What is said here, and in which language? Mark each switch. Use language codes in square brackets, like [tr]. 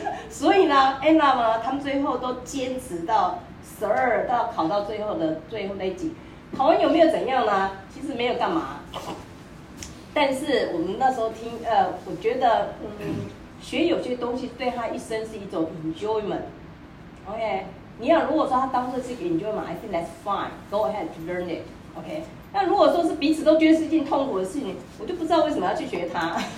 [zh] 所以呢 ，Anna 嘛，他们最后都坚持到十二，到考到最后的最后那几。考完有没有怎样呢？其实没有干嘛。但是我们那时候听，我觉得，学有些东西对他一生是一种 enjoyment。 [en] OK， [zh] 你要如果说他当作是一个 [en] enjoyment， I think that's fine， go ahead to learn it。 [zh] OK， 那如果说是彼此都觉得是一件痛苦的事情，我就不知道为什么要去学他。